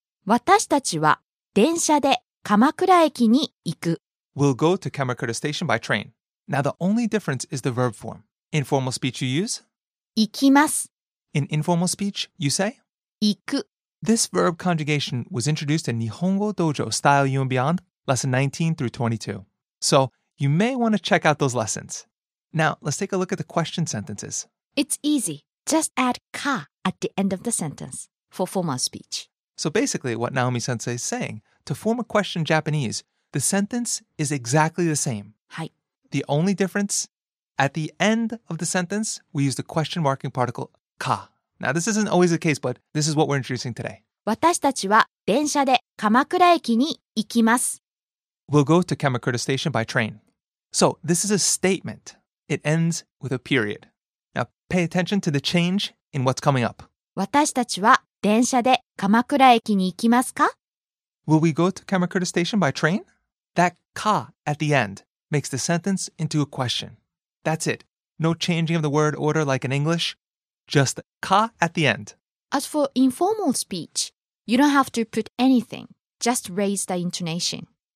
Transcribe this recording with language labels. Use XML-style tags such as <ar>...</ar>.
<ja>私たちは電車で鎌倉駅に行く。</ja> <en>We'll go to Kamakura Station by train. Now, the only difference is the verb form. Informal speech you use?</en> <ja>行きます。</ja> <en>In informal speech, you say?</en> <ja>行く。</ja> <en>This verb conjugation was introduced in Nihongo Dojo Style You and Beyond, lesson 19 through 22. So, you may want to check out those lessons. Now, let's take a look at the question sentences. It's easy. Just add ka at the end of the sentence for formal speech. So basically, what Naomi-sensei is saying, to form a question in Japanese, the sentence is exactly the same. Hi. The only difference, at the end of the sentence, we use the question marking particle ka. Now, this isn't always the case, but this is what we're introducing today.</en> <ja>私たちは電車で鎌倉駅に行きます。</ja> <en>We'll go to Kamakura Station by train. So, this is a statement. It ends with a period. Now, pay attention to the change in what's coming up.</en> <ja>私たちは電車で鎌倉駅に行きますか?</ja> <en>Will we go to Kamakura Station by train? That ka at the end makes the sentence into a question. That's it. No changing of the word order like in English. Just ka at the end. As for informal speech, you don't have to put anything. Just raise the intonation.</en>